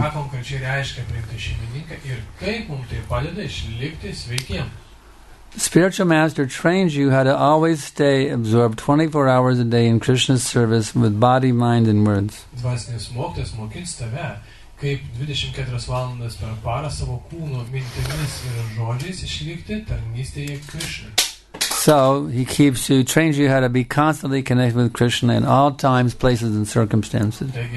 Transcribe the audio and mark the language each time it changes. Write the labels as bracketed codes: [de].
[lt] Ką konkrečiai reiškia priimti šeimininką ir kaip mums tai padeda išlikti sveikiem? [en] Spiritual master trains you how to always stay absorbed 24 hours a day in Krishna's service with body, mind and words. [lt] Dvasinis mokytas mokins tave, kaip 24 valandas per parą savo kūno mintimis ir žodžiais išlikti tarnystėje Krishna. [en] So he keeps you, trains you how to be constantly connected with Krishna in all times, places, and circumstances.